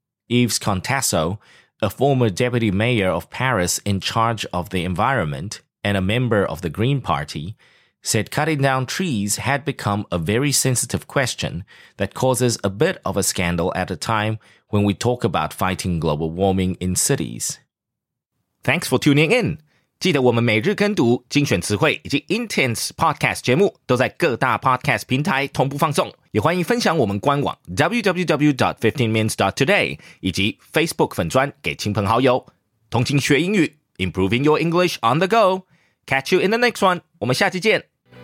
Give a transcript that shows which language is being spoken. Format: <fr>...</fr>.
<en>Yves Contasso, a former deputy mayor of Paris in charge of the environment and a member of the Green Party, said cutting down trees had become a very sensitive question that causes a bit of a scandal at a time when we talk about fighting global warming in cities. Thanks for tuning in.</en> <zh>记得我们每日跟读精选词汇以及 Intense Podcast 节目都在各大 Podcast 平台同步放送。也欢迎分享我们官网 www.15mins.today 以及 Facebook 粉专给亲朋好友。同情学英语</zh> <en>,improving your English on the go. Catch you in the next one.</en> <zh>我们下期见。</zh>